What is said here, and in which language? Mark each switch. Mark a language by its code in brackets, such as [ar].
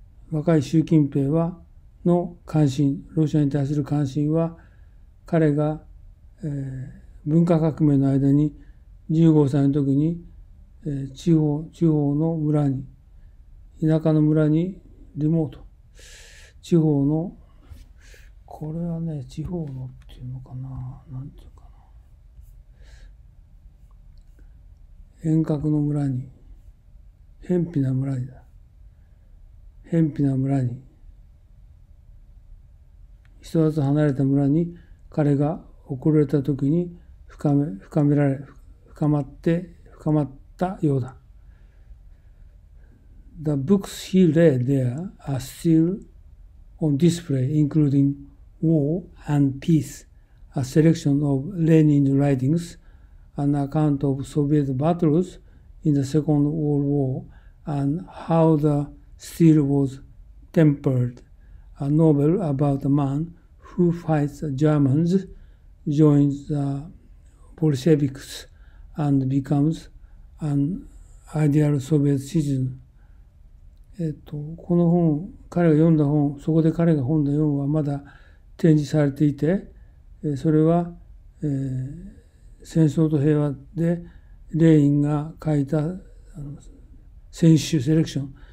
[ja] 若い習近平はの関心、ロシアに対する関心は彼が、文化革命の間に15歳の時に、地方の村に、田舎の村にリモート、地方の、これはね、地方のっていうのかな、なんていうかな、遠隔の村に、辺鄙な村にだ。辺鄙な村に、人里離れた村に彼が送られた時に深まったようだ。 [en] The books he read there are still on display, including War and Peace, a selection of Lenin's writings, an account of Soviet battles in the Second World War, and how theSteel was tempered, a novel about a man who fights the Germans, joins the Bolsheviks, and becomes an ideal Soviet citizen. [ja] この本、彼が読んだ本、そこで彼が本で読むはまだ展示されていて、それは、戦争と平和でレインが書いた選集セレクション。